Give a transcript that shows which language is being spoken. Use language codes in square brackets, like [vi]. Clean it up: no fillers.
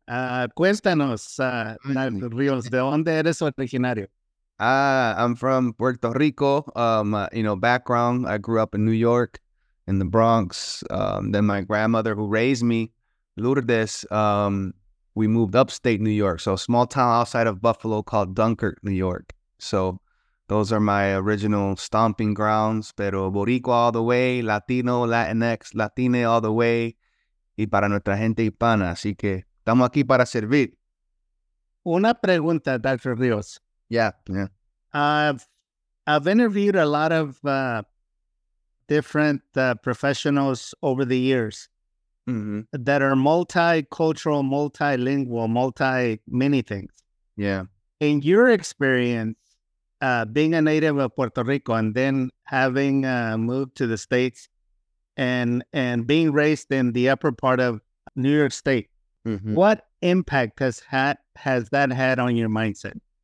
[es] Cuéntanos, Rios, ¿de dónde eres originario? [en] I'm from Puerto Rico. Background, I grew up in New York, in the Bronx. Then my grandmother who raised me, Lourdes, we moved upstate New York. So a small town outside of Buffalo called Dunkirk, New York. So those are my original stomping grounds. Pero Boricua all the way, Latino, Latinx, Latine all the way. [es] Y para nuestra gente hispana, así que estamos aquí para servir. Una pregunta, Dr. Rios. [en] Yeah. I've interviewed a lot of different professionals over the years that are multicultural, multilingual, many things. Yeah. In your experience, being a native of Puerto Rico and then having moved to the States, and being raised in the upper part of New York State, what impact has that had on your mindset?